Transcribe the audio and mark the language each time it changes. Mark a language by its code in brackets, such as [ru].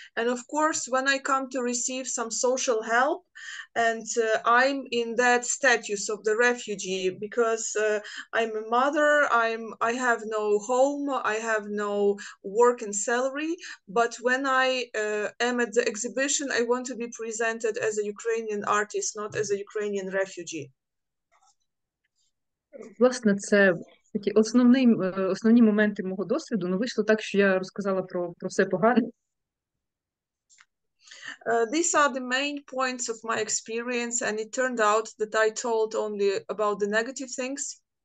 [en] And of course, when I come to receive some social help and I'm in that status of the refugee because I'm a mother, I have no home, I have no work and salary. But when I am at the exhibition, I want to be presented as a Ukrainian artist, not as a Ukrainian refugee. [uk] Власне, це такі основні моменти мого досвіду. Ну, вийшло так, що я розказала про все погане. [en] These are the main points of my experience, and it turned out that I told only about the negative things.